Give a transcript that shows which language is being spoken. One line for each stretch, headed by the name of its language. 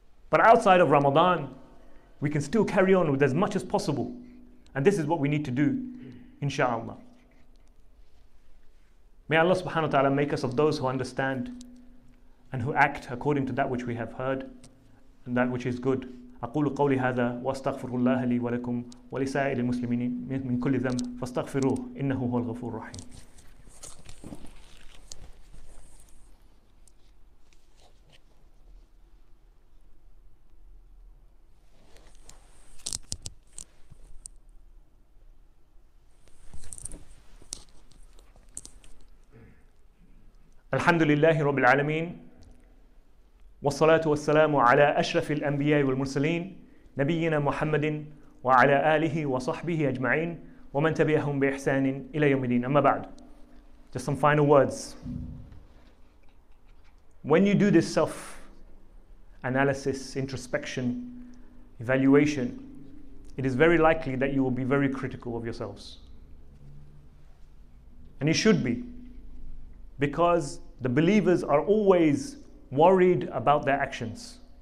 English: But outside of Ramadan, we can still carry on with as much as possible. And this is what we need to do, inshallah. May Allah subhanahu wa ta'ala make us of those who understand and who act according to that which we have heard and that which is good.
Arabic: أقول قولي هذا واستغفر الله لي ولكم ولسائر المسلمين من كل ذنب فاستغفروه إنه هو الغفور الرحيم. الحمد لله رب العالمين والصلاة والسلام على أشرف الأنبياء والمرسلين نبينا محمد وعلى آله وصحبه أجمعين ومن تبعهم بإحسان إلى يوم الدين. أما بعد,
English: just some final words. When you do this self analysis, introspection, evaluation, it is very likely that you will be very critical of yourselves, and you should be, because the believers are always worried about their actions.